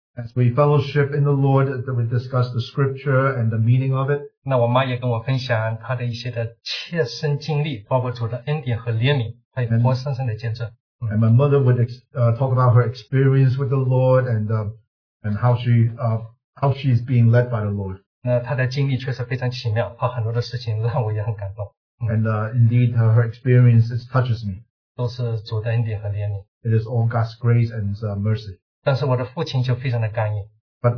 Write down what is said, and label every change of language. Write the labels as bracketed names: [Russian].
[English] As we fellowship in the Lord, we discuss the scripture and the meaning of it. [Chinese] 那我妈也跟我分享她的一些的切身经历，包括主的恩典和怜悯，还有活生生的见证。 [English] And my mother would talk about her experience with the Lord and how she is being led by the Lord. [Chinese] 那她的经历确实非常奇妙，她很多的事情让我也很感动。 [English] And indeed, her experience touches me. [Chinese] 都是主的恩典和怜悯。 [English] It is all God's grace and mercy. [Chinese] 但是我的父亲就非常的刚硬。 [English] But